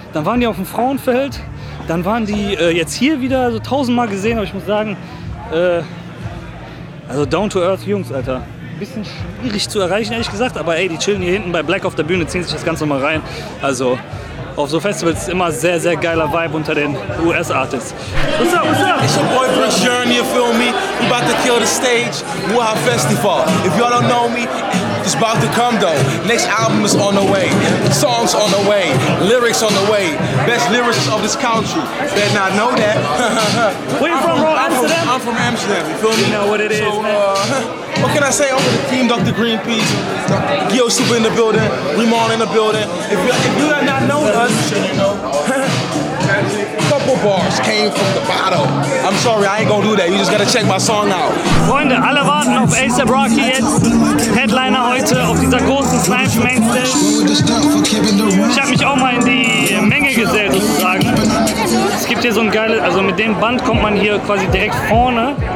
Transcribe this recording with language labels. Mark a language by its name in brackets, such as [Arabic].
[German] Dann waren die auf dem Frauenfeld. Dann waren die jetzt hier wieder, so 1000 Mal gesehen. Aber ich muss sagen, also Down-to-Earth-Jungs, Alter. Bisschen schwierig zu erreichen, ehrlich gesagt. Aber ey, die chillen hier hinten bei Black auf der Bühne, ziehen sich das Ganze mal rein. Also auf so Festivals ist immer sehr, sehr geiler Vibe unter den US-Artists. [English] What's up, what's up? It's your boy Prince Journey, you feel me? We about to kill the stage, Wuha Festival. If y'all don't know me... It's about to come though. Next album is on the way. Songs on the way. Lyrics on the way. Best lyricist of this country. Better not know that. Where you from, bro? Amsterdam? I'm from Amsterdam. You feel me? You know what it is. So, what can I say? I'm with the team, Dr. Greenpeace. Gio Super in the building. Remon in the building. If you do not know us, bars came from the bottle. I'm sorry, I ain't gonna do that. You just gotta check my song out. [German] Freunde, alle warten auf A$AP Rocky jetzt. Headliner heute auf dieser großen Snipes Mainstage. Ich hab mich auch mal in die Menge gesetzt, sozusagen. Es gibt hier so ein geiles, also mit dem Band kommt man hier quasi direkt vorne.